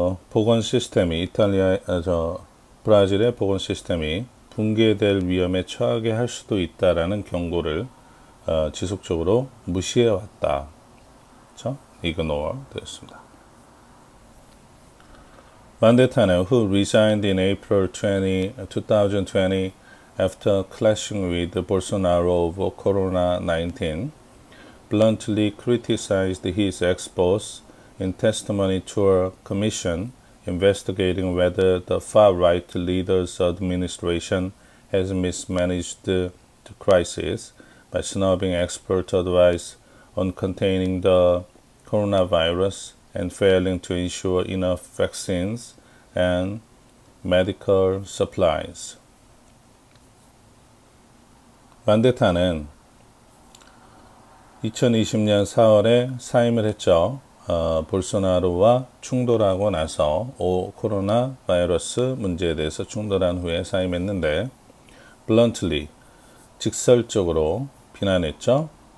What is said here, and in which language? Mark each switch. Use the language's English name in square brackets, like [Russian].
[Korean] 보건 시스템이, 이탈리아, 브라질의 보건 시스템이 붕괴될 위험에 처하게 할 수도 있다라는 경고를 지속적으로 무시해 왔다. 그렇죠? Ignore 되었습니다. [English] 만데타는 who resigned in April 2020 after clashing with Bolsonaro over COVID-19, bluntly criticized his ex-boss in testimony to a commission investigating whether the far-right leader's administration has mismanaged the crisis by snubbing expert advice on containing the coronavirus and failing to ensure enough vaccines and medical supplies. [Korean] 만데타는 2020년 4월에 사임을 했죠. 볼소나로와 충돌하고 나서 오 코로나 바이러스 문제에 대해서 충돌한 후에 사임했는데, bluntly, 직설적으로 비난했죠.